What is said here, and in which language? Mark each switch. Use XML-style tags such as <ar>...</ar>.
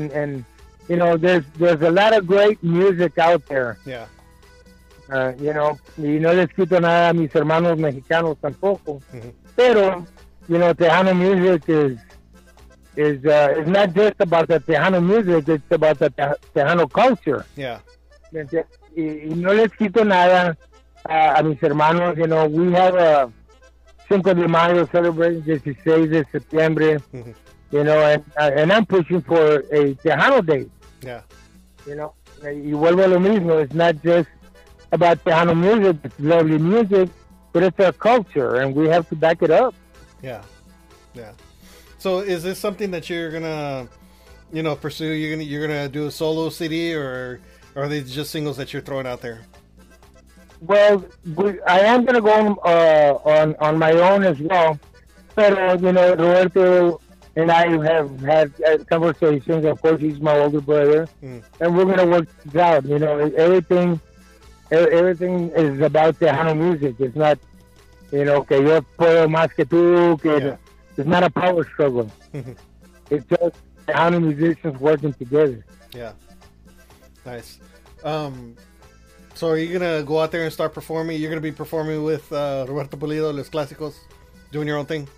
<en>And you know, there's a lot of great music out there. Yeah. You know,</en> <es>les quito nada a mis hermanos mexicanos tampoco. Mm-hmm.</es> <en>Pero, you know, Tejano music is not just about the Tejano music. It's about the Tejano culture. Yeah.</en> <es>Y no les quito nada a mis hermanos.</es> <en>You know, we have a Cinco de Mayo celebrating 16 de septiembre. Mm-hmm. You know, and I'm pushing for a Tejano day. Yeah. You know,</en> <es>y vuelvo a lo mismo.</es> <en>It's not just about Tejano music. It's lovely music, but it's our culture, and we have to back it up. Yeah. Yeah. So is this something that you're going to, you know, pursue? You're gonna do a solo CD, or are these just singles that you're throwing out there? Well, I am going to go on my own as well. But, you know, Roberto and I have had conversations. Of course, he's my older brother. Mm. And we're going to work this out. You know, everything is about Tejano music. It's not, you know,</en> <es>que yo puedo más que tú.</es> <en>It's not a power struggle. It's just Tejano musicians working together. Yeah. Nice. So are you going to go out there and start performing? You're going to be performing with Roberto Pulido, Los Clásicos, doing your own thing?</en>